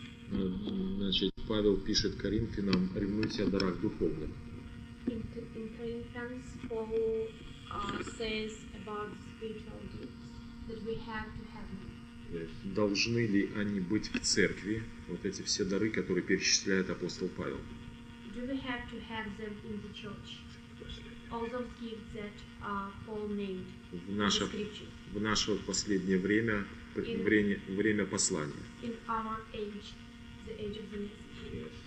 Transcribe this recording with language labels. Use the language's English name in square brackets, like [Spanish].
[Russian] Значит, Павел пишет Коринфянам: ревнуйте о дарах духовных. [English] In Corinthians, Paul says about spiritual gifts that we have to have. [Russian] Должны ли они быть в церкви, вот эти все дары, которые перечисляет апостол Павел? [English] Do we have to have them in the church? All those gifts that Paul named in the scripture. [Russian] В наше последнее время, время послания. [English] In our age, the age of the message.